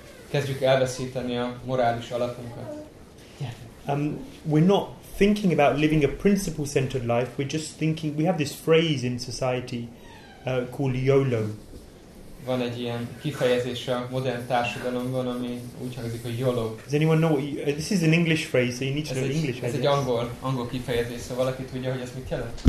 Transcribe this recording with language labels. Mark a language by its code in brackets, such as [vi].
[hu] Kezdjük elveszíteni a morális alapunkat. [en] We're not thinking about living a principle-centered life. We're just thinking. We have this phrase in society called YOLO. [hu] Van egy ilyen kifejezés a modern társadalomban, ami úgy hangzik, hogy YOLO. [en] Does anyone know? This is an English phrase, so you need to know English. [hu] Ez egy angol kifejezés, szóval valaki tudja, hogy ez mit jelent?